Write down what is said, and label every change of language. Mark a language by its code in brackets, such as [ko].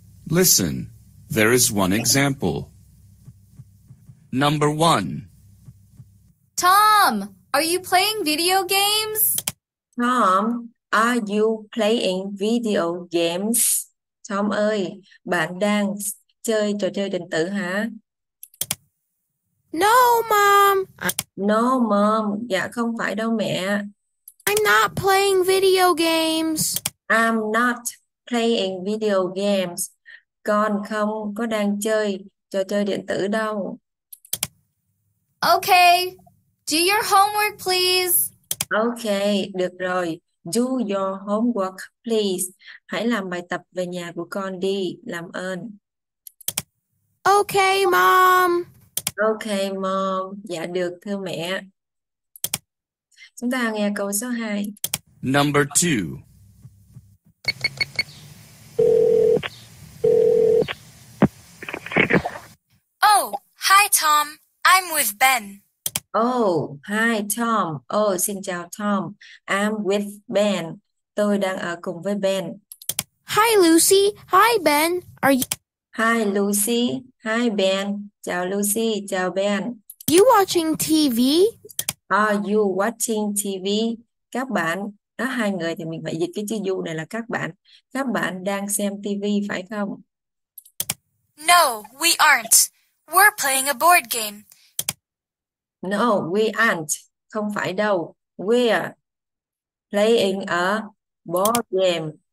[en] Listen, there is one example. Number one. Tom, are you playing video games? Tom, are you playing video games? [vi] Tom ơi, bạn đang chơi trò chơi điện tử hả? [en] No, Mom. No, Mom. [vi] Dạ, không phải đâu mẹ. [en] I'm not playing video games. I'm not playing video games. [vi] Con không có đang chơi trò chơi điện tử đâu. [en] Okay, do your homework, please. [vi] Okay, được rồi. [en] Do your homework, please. [vi] Hãy làm bài tập về nhà của con đi, làm ơn. [en] Okay, Mom. Okay, Mom. [vi] Dạ được, thưa mẹ. Chúng ta nghe câu số 2. [en] Number 2. Oh, hi Tom, I'm with Ben. Oh, hi Tom. [vi] Oh, xin chào Tom. [en] I'm with Ben. [vi] Tôi đang ở cùng với Ben. [en] Hi Lucy, hi Ben. Are you? Hi Lucy, hi Ben. [vi] Chào Lucy, chào Ben. [en] You watching TV? Are you watching TV? [vi] Các bạn, đó hai người thì mình phải dịch cái chữ you này là các bạn. Các bạn đang xem TV phải không? [en] No, we aren't. We're playing a board game. No, we aren't. [vi] Không phải đâu. [en] We're playing a board game.